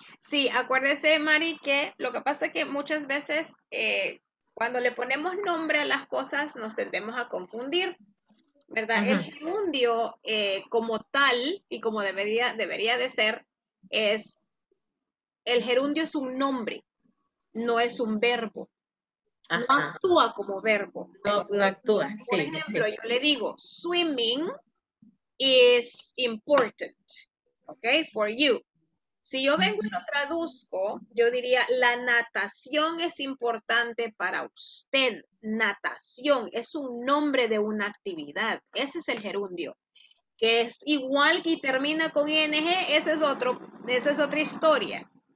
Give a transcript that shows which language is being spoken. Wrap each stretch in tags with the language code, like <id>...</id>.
<es>Sí, acuérdese, Mari, que lo que pasa es que muchas veces cuando le ponemos nombre a las cosas nos tendemos a confundir, ¿verdad? Uh-huh. El gerundio como tal y como debería de ser, es el gerundio es un nombre, no es un verbo. Uh-huh. No actúa como verbo. No actúa, por sí. Por ejemplo, sí. Yo le digo,</es> <en>swimming is important, okay, for you.</en> <es>Si yo vengo y lo traduzco, yo diría, la natación es importante para usted. Natación es un nombre de una actividad. Ese es el gerundio. Que es igual que termina con ing, esa es otra historia.</es>